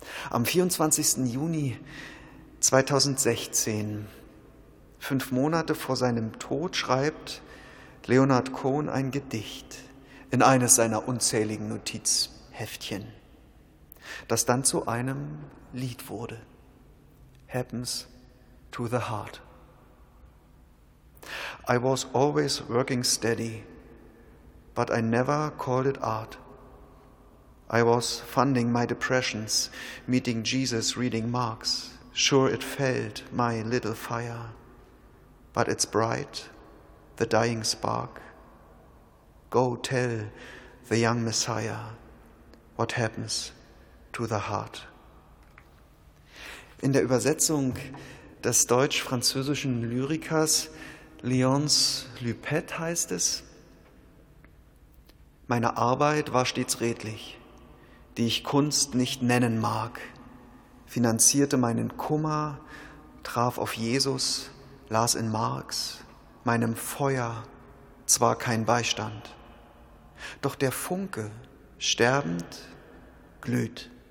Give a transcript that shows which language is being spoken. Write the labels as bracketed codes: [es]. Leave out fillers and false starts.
[de] Am 24. Juni 2016, 5 Monate vor seinem Tod, schreibt Leonard Cohen ein Gedicht in eines seiner unzähligen Notizheftchen, das dann zu einem Lied wurde. [en] Happens to the heart. I was always working steady, but I never called it art. I was funding my depressions, meeting Jesus, reading Marx. Sure it failed, my little fire, but it's bright, the dying spark. Go tell the young Messiah what happens to the heart. [de] In der Übersetzung des deutsch-französischen Lyrikers Léonce Lupet heißt es: Meine Arbeit war stets redlich, die ich Kunst nicht nennen mag, finanzierte meinen Kummer, traf auf Jesus, las in Marx, meinem Feuer zwar kein Beistand, doch der Funke, sterbend, glüht.